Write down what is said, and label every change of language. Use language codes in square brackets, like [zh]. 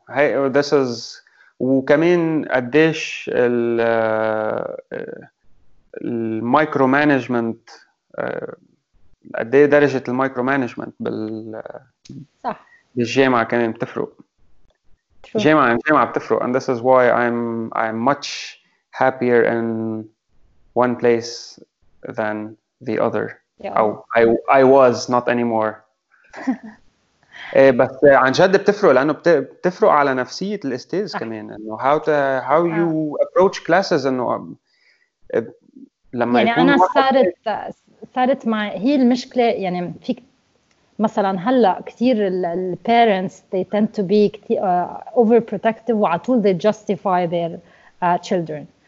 [en] Hey, this is [ar] وكمان قديش الـ micromanagement، قدي درجة الـ micromanagement بالجامعة كمان بتفرق. جامعة عن جامعة بتفرق. [en] And this is why I'm much happier in one place than the other. Yeah. I was not anymore. [ar] بس عن جد بتفرق، لأنه بتفرق على نفسية الأستاذ كمان. [en] إنه how you approach classes. إنه لما [ar] يعني أنا صارت مع هي المشكلة، يعني في مثلاً هلأ كتير الـ parents [en] they tend to be overprotective [ar] وعطول [en] they justify their children.